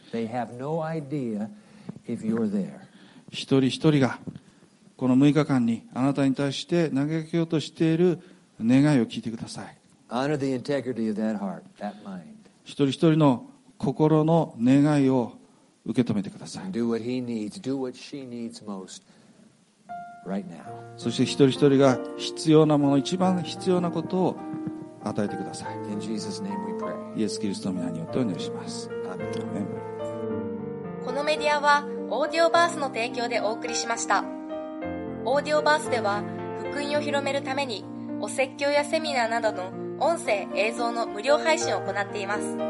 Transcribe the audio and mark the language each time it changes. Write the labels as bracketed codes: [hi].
[en] They have no idea if you're there. [ja] 一人一人がこの6日間にあなたに対して投げかけようとしている願いを聞いてください。 [en] Honor the integrity of that heart, that mind. [ja] 一人一人の心の願いを受け止めてください。 [en] Do what he needs, do what she needs most right now. [ja] そして一人一人が必要なもの、一番必要なことを与えてください。 [en] In Jesus' name we pray. [ja] イエス・キリストの名によってお祈りします。 [en] Amen. [ja] このメディアはオーディオバースの提供でお送りしました。オーディオバースでは福音を広めるためにお説教やセミナーなどの音声映像の無料配信を行っています。